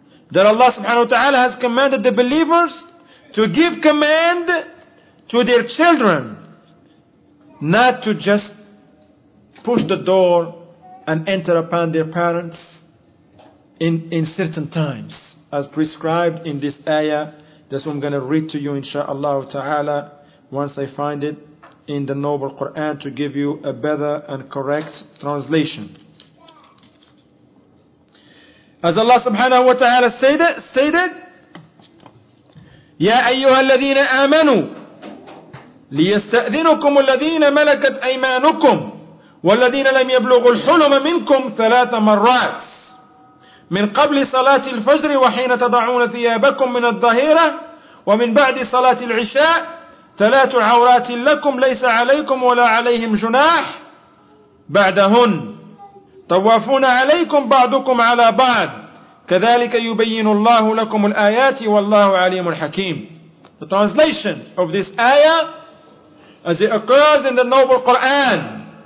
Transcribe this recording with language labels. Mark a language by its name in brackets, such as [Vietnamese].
[English] that Allah subhanahu wa ta'ala has commanded the believers to give command to their children, not to just push the door and enter upon their parents in certain times, as prescribed in this ayah. That's what I'm going to read to you insha'Allah ta'ala, once I find it in the noble Quran, to give you a better and correct translation. As Allah subhanahu wa ta'ala stated, [Arabic] يَا أَيُّهَا الَّذِينَ آمَنُوا لِيَسْتَأْذِنُكُمُ الَّذِينَ مَلَكَتْ أَيْمَانُكُمْ وَالَّذِينَ لَمْ يَبْلُغُوا الْحُلُمَ مِنْكُمْ ثَلَاثَ مَرَّاتٍ من قبل صلاة الفجر وحين تضعون ثيابكم من الظهيرة ومن بعد صلاة العشاء ثلاث عورات لكم ليس عليكم ولا عليهم جناح بعدهن طوافون عليكم بعضكم على بعض كذلك يبين الله لكم الآيات والله عليم الحكيم. [English] The translation of this ayah as it occurs in the noble Quran.